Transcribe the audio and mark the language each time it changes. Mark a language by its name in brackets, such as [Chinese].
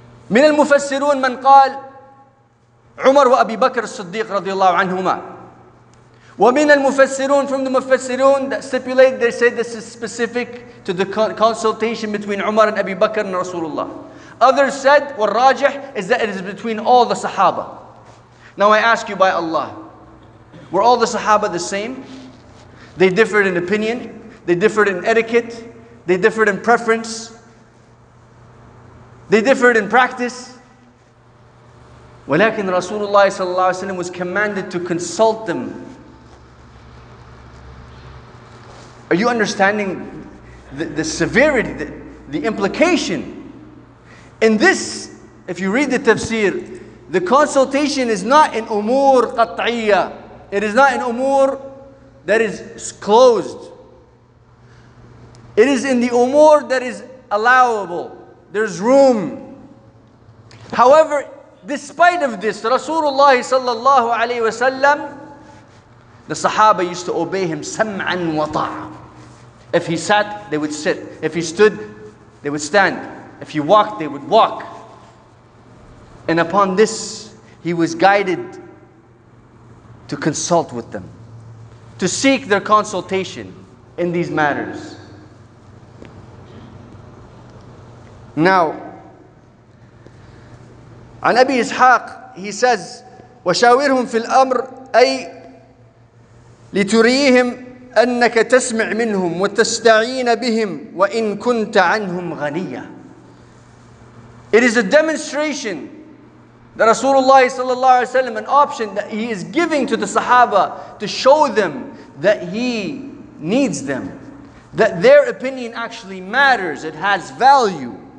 [Arabic] من المفسرون من قال عمر وأبي بكر الصديق رضي الله عنهما. ومن المفسرون, [English] from the مفسرون that stipulate, they say this is specific to the consultation between Umar and Abi Bakr and Rasulullah. Others said, والراجح, is that it is between all the Sahaba. Now I ask you by Allah, were all the Sahaba the same? They differed in opinion, they differed in etiquette, they differed in preference, they differed in practice. [Arabic] ولكن رسول الله صلى الله عليه وسلم [English] was commanded to consult them. Are you understanding the severity, the implication? In this, if you read the tafsir, the consultation is not an [Arabic] umur qat'iyya. [English] It is not an umur that is closed. It is in the umur that is allowable. There's room. However, despite of this, Rasulullah sallallahu alayhi wasallam, the Sahaba used to obey him [Arabic] sam'an wa ta'a. [English] If he sat, they would sit. If he stood, they would stand. If he walked, they would walk. And upon this, he was guided to consult with them, to seek their consultation in these matters. [Arabic] Now, عن أبي إسحاق, [English] he says, [Arabic] وشاورهم في الأمر أي لتريهم أنك تسمع منهم وتستعين بهم وإن كنت عنهم غنية. [English] It is a demonstration that Rasulullah sallallahu alaihi wasallam, an option that he is giving to the Sahaba to show them that he needs them, that their opinion actually matters, it has value.